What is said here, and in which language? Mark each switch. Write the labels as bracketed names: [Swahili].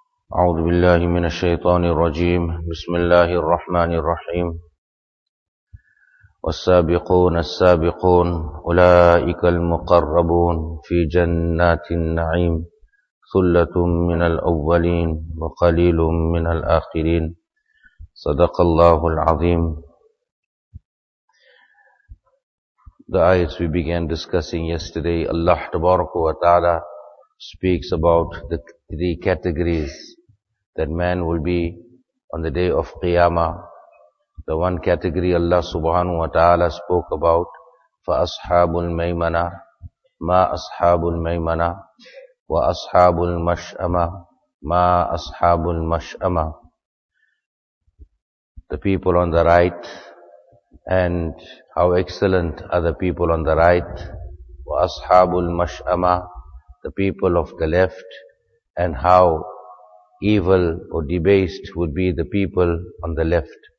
[Arabic] أعوذ بالله من الشيطان الرجيم بسم الله الرحمن الرحيم والسابقون السابقون أولئك المقربون في جنات النعيم ثلة من الأولين وقليل من الآخرين صدق الله العظيم. [English] The ayats we began discussing yesterday, Allah تبارك وتعالى speaks about the three categories that man will be on the day of Qiyamah. [Arabic] The one category Allah subhanahu wa ta'ala spoke about, فَأَصْحَابُ الْمَيْمَنَةِ مَا أَصْحَابُ الْمَيْمَنَةِ وَأَصْحَابُ الْمَشْأَمَةِ مَا أَصْحَابُ الْمَشْأَمَةِ. [English] The people on the right, and how excellent are the people on the right. وَأَصْحَابُ الْمَشْأَمَةِ, the people of the left, and how evil or debased would be the people on the left.